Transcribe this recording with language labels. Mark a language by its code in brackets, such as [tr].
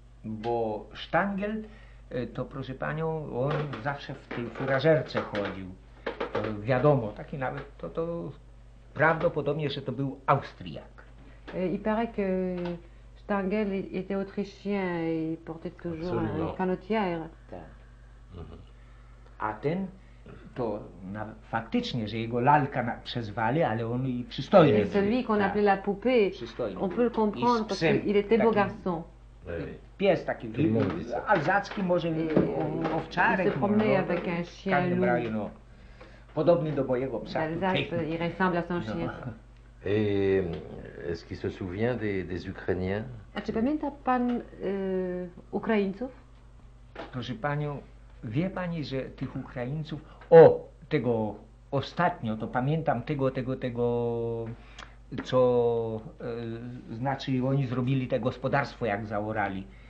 [pl] Bo Stangel, to proszę panią, on zawsze w tej furażerce chodził. To wiadomo, taki nawet, to prawdopodobnie, że to był Austriak. [fr] Il paraît que Stangel était autrichien et portait toujours une canotière. [pl] A ten, to na, faktycznie, że jego lalka na, przezwali, ale on i przystojny. [fr] Et celui qu'on appelait la poupée, on peut le comprendre, parce qu'il était beau garçon. [pl] Pies taki, alzacki może, owczarek. [fr] Il se promenait avec un chien loup. [pl] Podobny do mojego psa. [fr] L'Alsace, il ressemble à son chien. Et est-ce qu'il se souvient des Ukrainiens? [pl] A czy pamięta pan Ukraińców? Proszę panią, wie pani, że tych Ukraińców, o, tego ostatnio, to pamiętam tego, co znaczy oni zrobili te gospodarstwo, jak zaorali.